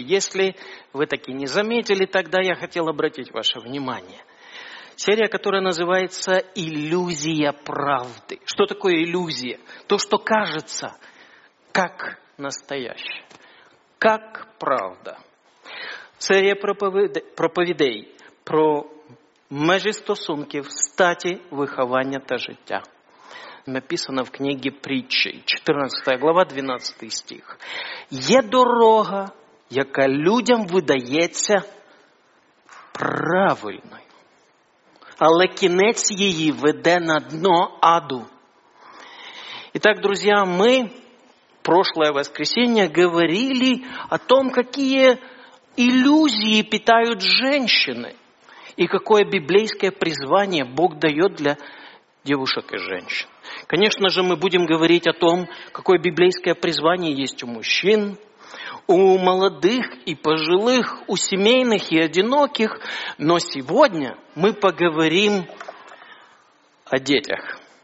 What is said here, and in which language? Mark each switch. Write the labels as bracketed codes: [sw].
[ru] Если вы таки не заметили, тогда я хотел обратить ваше внимание. Серия, которая называется «Иллюзия правды». Что такое иллюзия? То, что кажется как настоящее, как правда. [uk] Серія проповідей про межі стосунків, статі, виховання та життя. Написано в книгі Притчі, 14 глава, 12 стих. Є дорога, яка людям видається правильною, але кінець її веде на дно аду. І так, друзі, ми [ru] прошлое [uk] воскресіння [ru] говорили о том, [uk] які [ru] иллюзии питают женщины. И какое библейское призвание Бог дает для девушек и женщин. Конечно же, мы будем говорить о том, какое библейское призвание есть у мужчин, у молодых и пожилых, у семейных и одиноких. Но сегодня мы поговорим о детях.